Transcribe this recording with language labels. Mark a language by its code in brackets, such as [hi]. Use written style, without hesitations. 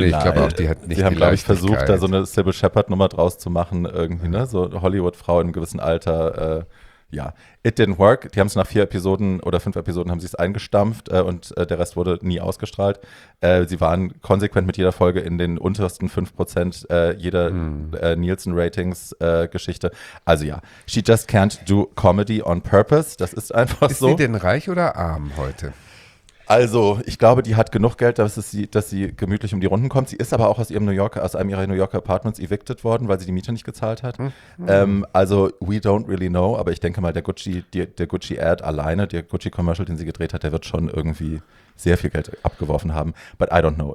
[de] Nee, ich glaube auch, die hat nicht. Sie haben, glaube ich, versucht, da so eine Sybil Shepherd-Nummer draus zu machen, irgendwie, ne? So Hollywood-Frau in einem gewissen Alter. Ja, [en] it didn't work. [de] Die haben es nach 4 Episoden oder 5 Episoden haben sie es eingestampft und der Rest wurde nie ausgestrahlt. Sie waren konsequent mit jeder Folge in den untersten 5% jeder Nielsen-Ratings-Geschichte. Also ja, [en] she just can't do comedy on purpose. [de] Das ist einfach so. Ist sie denn reich oder arm heute? Also, ich glaube, die hat genug Geld, dass sie gemütlich um die Runden kommt. Sie ist aber auch aus ihrem New Yorker, aus einem ihrer New Yorker Apartments evicted worden, weil sie die Miete nicht gezahlt hat. Mhm. Also, [en] we don't really know, [de] aber ich denke mal, der Gucci-Ad alleine, der Gucci-Commercial, den sie gedreht hat, der wird schon irgendwie sehr viel Geld abgeworfen haben. [en] But I don't know.